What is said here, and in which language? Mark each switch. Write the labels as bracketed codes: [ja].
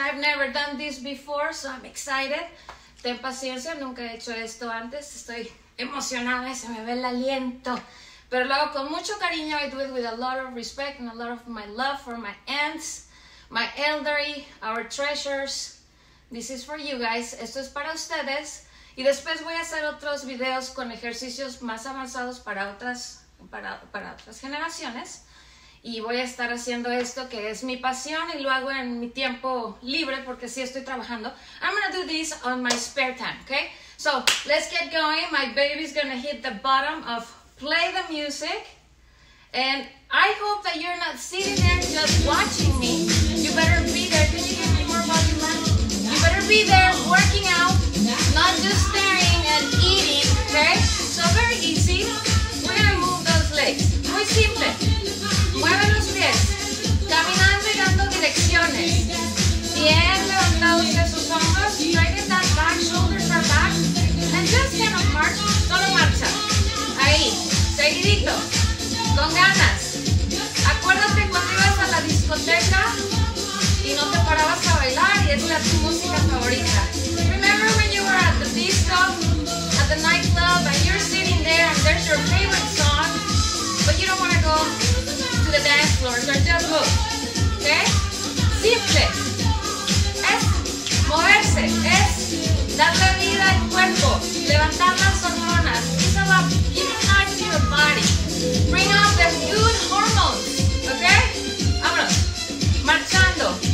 [en] I've never done this before, so I'm excited. [es] Ten paciencia, nunca he hecho esto antes, estoy emocionada y se me ve el aliento. Pero lo hago con mucho cariño, [en] I do it with a lot of respect and a lot of my love for my aunts, my elderly, our treasures. This is for you guys, [es] esto es para ustedes. Y después voy a hacer otros videos con ejercicios más avanzados para otras generaciones. Y voy a estar haciendo esto que es mi pasión y lo hago en mi tiempo libre porque sí estoy trabajando. [en] I'm gonna do this on my spare time, okay? So, let's get going. My baby's gonna hit the bottom of play the music. And I hope that you're not sitting there just watching me. You better be there. Can you give me more volume, man? You better be there working out, not just staring and eating, okay? So, very easy. We're gonna move those legs. [es] Muy simple. Mueve los pies, caminando y dando direcciones. Bien levantados de sus hombros. [en] Try to get that back, shoulders are back. And just kind of march, [es] solo marcha. Ahí, seguidito, con ganas. Acuérdate cuando ibas a la discoteca y no te parabas a bailar y esa era tu música favorita. [en] Remember when you were at the disco, at the nightclub, and you're sitting there and there's your favorite song, but you don't want to go the dance floors are just hooked, okay? Simple. [es] Es moverse, es darle vida al cuerpo, levantar las hormonas. [en] It's about giving life to your body. Bring out the good hormones, okay? [es] Vámonos. Marchando.